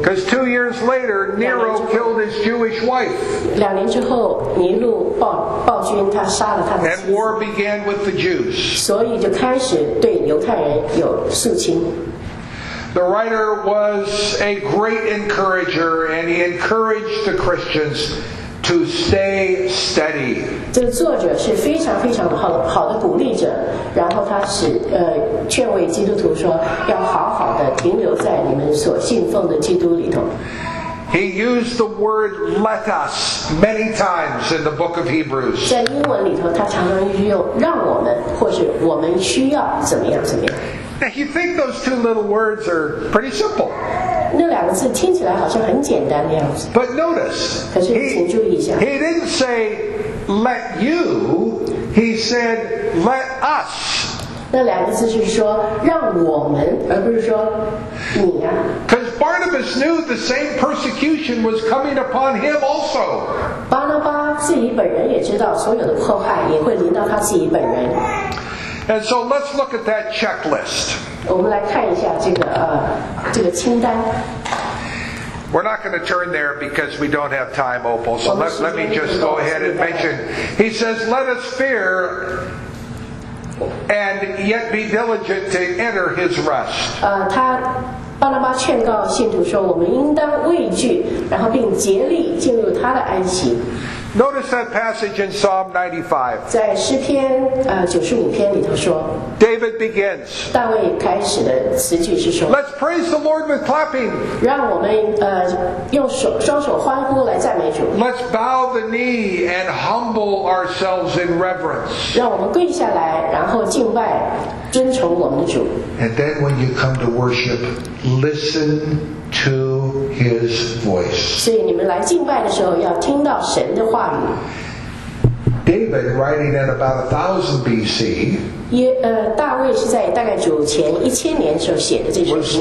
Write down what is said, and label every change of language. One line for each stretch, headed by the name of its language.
English: Because 2 years later, Nero killed his Jewish wife.
Chinese: 两年之后，尼禄暴君他杀了他的妻子。
English: And war began with the Jews.
Chinese: 所以就开始对犹太人有肃清。
English: The writer was a great encourager, and he encouraged the Christians to stay steady.
Chinese: 这个作者是非常非常好的鼓励者，然后他是劝慰基督徒说要好好的停留在你们所信奉的基督里头。
English: He used the word "let us" many times in the book of Hebrews.
Chinese: 在英文里头，他常常用让我们或是我们需要怎么样怎么样。
English: Now, you think those two little words are pretty simple.
Chinese: 那两个字听起来好像很简单的样子。
English: But notice,
Chinese: 可是请注意一下。
English: He didn't say, let you, he said, let us.
Chinese: 那两个字是说让我们，而不是说你啊。
English: Because Barnabas knew the same persecution was coming upon him also.
Chinese: 巴拿巴自己本人也知道所有的迫害也会临到他自己本人。
English: And so let's look at that checklist.
Chinese: 我们来看一下这个清单。
English: We're not going to turn there because we don't have time, Opal. So let me just go ahead and mention. He says, let us fear and yet be diligent to enter his rest.
Chinese: 他巴拿巴劝告信徒说，我们应当畏惧，然后并竭力进入他的安息。
English: Notice that passage in Psalm 95.
Chinese: 在诗篇95篇里头说
English: ，David begins.
Chinese: 大卫开始的词句是说
English: ，Let's praise the Lord with clapping.
Chinese: 让我们用双手欢呼来赞美主。
English: Let's bow the knee and humble ourselves in reverence.
Chinese: 让我们跪下来，然后敬拜，尊崇我们的主。
English: And then when you come to worship, listen to His voice.
Chinese: 所以你们来敬拜的时候要听到神的话语。
English: David writing at about 1000 BC.
Chinese: 大卫是在大概主前一千年时候写的这首诗。